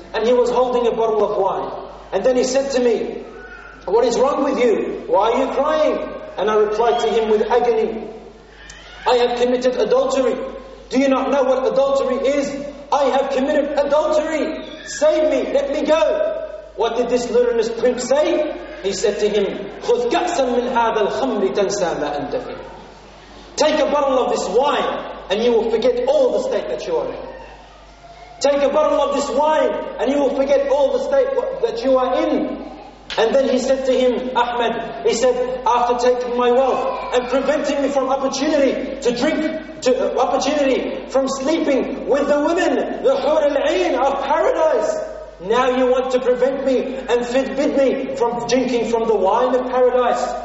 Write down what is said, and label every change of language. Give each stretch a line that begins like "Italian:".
English: And he was holding a bottle of wine. And then he said to me, what is wrong with you? Why are you crying? And I replied to him with agony, I have committed adultery. Do you not know what adultery is? I have committed adultery. Save me, let me go. What did this lunatic pimp say? He said to him,
Arabic: خُذْ كَأْسًا مِنْ هَذَا الْخَمْرِ تَنْسَى مَا أَنْتَ فِيهِ.
English: Take a bottle of this wine and you will forget all the state that you are in. Take a bottle of this wine and you will forget all the state that you are in. And then he said to him, Ahmed, he said, after taking my wealth and preventing me from opportunity to drink, to opportunity from sleeping with the women, the Hur al-Ain of paradise, now you want to prevent me and forbid me from drinking from the wine of paradise.